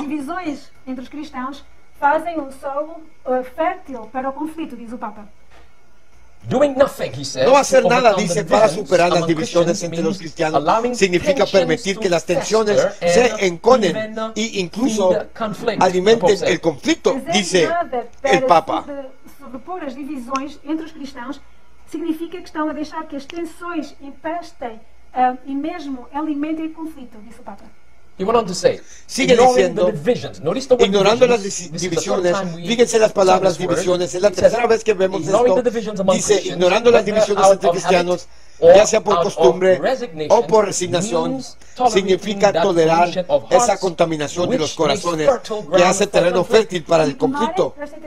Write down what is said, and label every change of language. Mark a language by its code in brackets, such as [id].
[pt] Divisões entre os cristãos fazem o solo fértil para o conflito, diz o Papa. [en] Doing nothing, he says, [es] no hacer nada, dice, para superar las divisiones entre los cristianos significa permitir que las tensiones se enconen e incluso alimenten el conflicto, dice el Papa. [pt] Sobrepor as divisões entre os cristãos significa que estão a deixar que as tensões empestem e mesmo alimentem o conflito, disse o Papa. [en] He went on to say, [es] sigue diciendo, ignorando las divisiones, fíjense las palabras divisiones, es la tercera vez que vemos esto, dice, ignorando las divisiones entre cristianos, ya sea por costumbre o por resignación, significa tolerar esa contaminación de los corazones que hace terreno fértil para el conflicto.